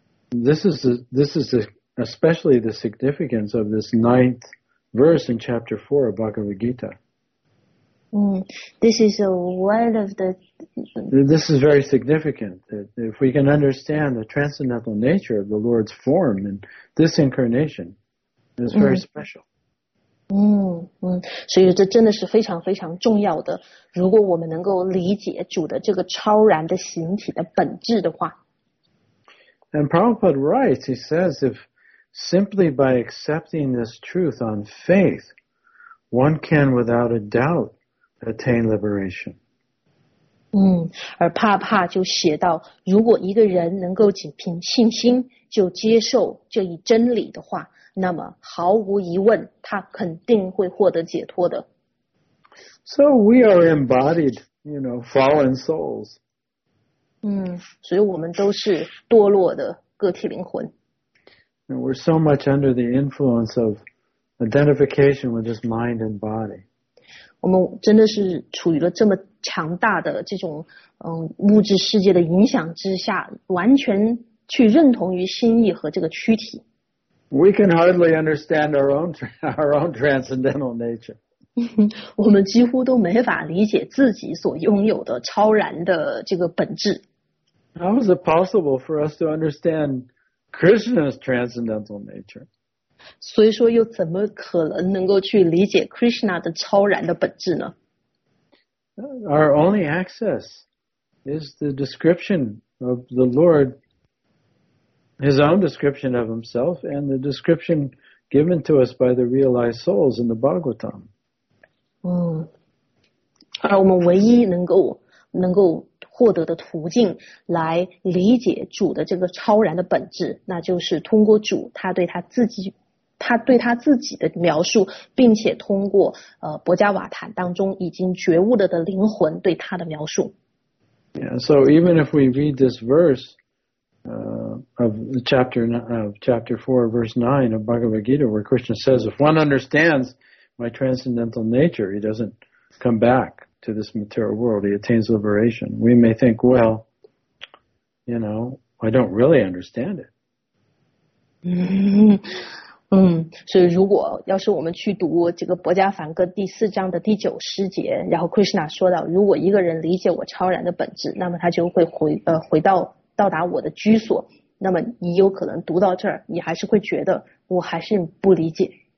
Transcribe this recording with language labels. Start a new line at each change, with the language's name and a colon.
English: This is especially the significance of this ninth verse in chapter 4 of Bhagavad Gita. This is very significant. If we can understand the transcendental nature of the Lord's form in this incarnation, it's very special.
Chinese: 所以这真的是非常非常重要的。如果我们能够理解主的这个超然的形体的本质的话。
English: And Prabhupada writes, he says, if simply by accepting this truth on faith, one can without a doubt attain liberation.
Chinese: 而帕帕就写到，如果一个人能够仅凭信心就接受这一真理的话，那么毫无疑问，他肯定会获得解脱的。
English: So we are embodied, you know, fallen souls.
Chinese: 所以我们都是堕落的个体灵魂。
English: And we're so much under the influence of identification with this mind and body.
Chinese: 我们真的是处于了这么强大的这种物质世界的影响之下，完全去认同于心意和这个躯体。
English: We can hardly understand our own transcendental nature.
Chinese: 我们几乎都没法理解自己所拥有的超然的这个本质。
English: How is it possible for us to understand Krishna's transcendental nature?
Chinese: 所以说又怎么可能能够去理解 Krishna 的超然的本质呢？
English: Our only access is the description of the Lord, his own description of himself, and the description given to us by the realized souls in the Bhagavatam.
Chinese: 而我们唯一能够获得的途径来理解主的这个超然的本质，那就是通过主他对他自己的描述，并且通过薄伽瓦坛当中已经觉悟了的灵魂对他的描述。
English: Yeah, so even if we read this verse of chapter 4, verse 9 of Bhagavad Gita, where Krishna says, if one understands my transcendental nature, he doesn't come back to this material world, he attains liberation. We may think, well, you know, I don't really understand it.
Chinese: 所以如果要是我们去读这个薄伽梵歌第四章的第九诗节，然后 Krishna 说到，如果一个人理解我超然的本质，那么他就会回到我的居所，那么你有可能读到这儿，你还是会觉得我还是不理解。